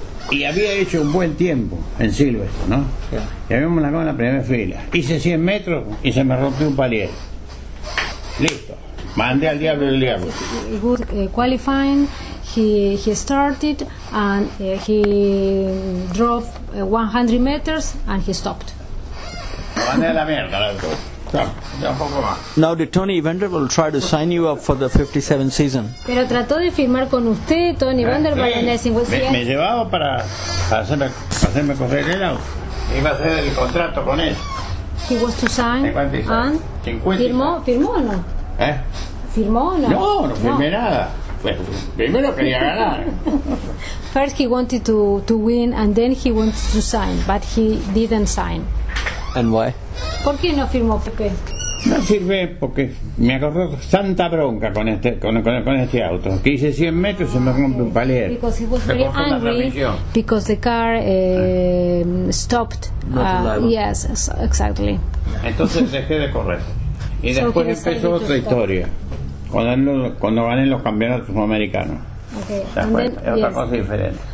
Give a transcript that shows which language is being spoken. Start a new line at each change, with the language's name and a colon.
Spanish: Y había hecho un buen tiempo en Silverstone, ¿no? Yeah. Y habíamos largado en la primera fila. Hice 100 metros y se me rompió un palier. Listo. Mandé al diablo el diablo.
English: Good qualifying. He started and he drove 100 meters and he stopped.
Spanish: Mandé a la mierda el auto. No,
English: now did Tony Vanderbilt try to sign you up for the 57 season?
Spanish: Pero trató de firmar con usted, Tony Vanderbilt, en el 57. Me llevaba para hacerme correr el auto. Iba a hacer el contrato con él.
English: He was to sign. And
Spanish: firmó o no? ¿Firmó o no? No firmé nada. Pues, primero quería ganar.
English: First he wanted to win and then he wanted to sign, but he didn't sign. And why?
Spanish: ¿Por qué no firmó? ¿Por qué? No sirve porque me agarró santa bronca con este auto. Que hice 100 metros y se me rompió un palier.
English: Because he was very angry because the car stopped. Yes, exactly.
Spanish: Entonces dejé de correr. Y después empezó otra historia. Cuando gané los campeonatos americanos. Otra cosa diferente.